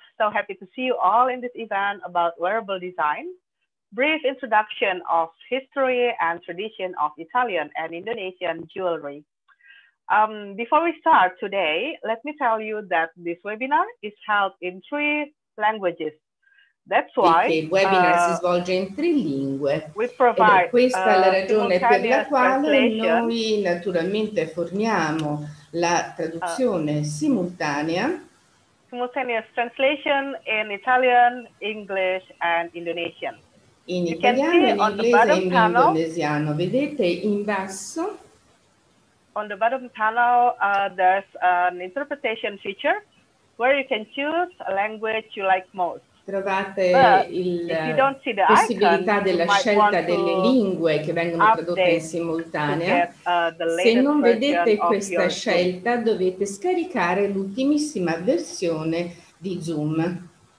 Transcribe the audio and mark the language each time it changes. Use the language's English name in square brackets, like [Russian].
[English] So happy to see you all in this event about wearable design. Brief introduction of history and tradition of Italian and Indonesian jewelry. Before we start today, let me tell you that this webinar is held in three languages. That's why [Italian] il webinar si svolge in tre lingue. [English] We provide, [Italian] ed è questa la ragione per la quale noi naturalmente forniamo la traduzione simultanea. [English] Simultaneous translation in Italian, English and Indonesian. [Italian] In italiano, in inglese e in indonesiano. Vedete in basso? [English] On the bottom panel, there's an interpretation feature where you can choose a language you like most. [Italian] Trovate la possibilità della scelta delle lingue che vengono tradotte in simultanea. Se non vedete questa scelta, dovete scaricare l'ultimissima versione di Zoom.